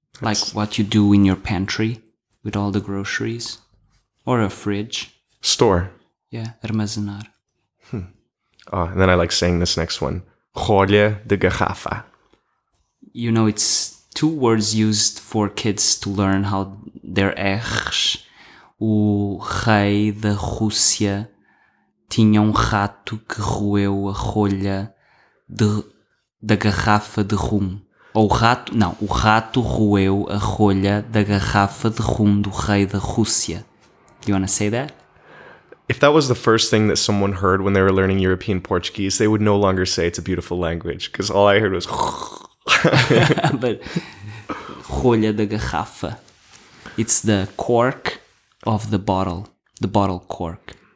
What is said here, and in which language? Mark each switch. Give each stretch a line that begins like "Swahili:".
English: Like what you do in your pantry with all the groceries. Or a fridge. Store. Yeah, armazenar. Oh, and then I like saying this next one.
Portuguese: Rolha de garrafa.
English: You know, it's 2 words used for kids to learn how their R's.
Portuguese: O rei da Rússia tinha rato que roeu a rolha da garrafa de rum. Ou o rato, não, o rato roeu a rolha da garrafa de rum do rei da Rússia.
English: Do you want to say that? If that was the first thing that someone heard when they were learning European Portuguese, they would no longer say it's a beautiful language, because all I heard was...
Portuguese: But rolha da garrafa.
English: It's the cork of the bottle cork.